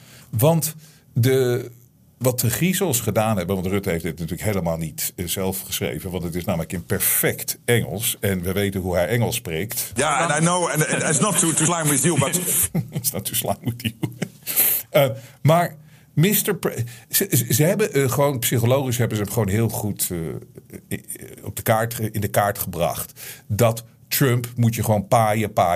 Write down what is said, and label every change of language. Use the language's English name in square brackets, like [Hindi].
[Dutch] Want wat de Griezels gedaan hebben, want Rutte heeft dit natuurlijk helemaal niet zelf geschreven, want het is namelijk in perfect Engels en we weten hoe hij Engels spreekt. [English] Ja, yeah, and I know, and it's not to slime with you, but... It's not to slime with you. [Dutch] Maar ze hebben hem gewoon heel goed op de kaart gebracht dat Trump moet je gewoon paaien.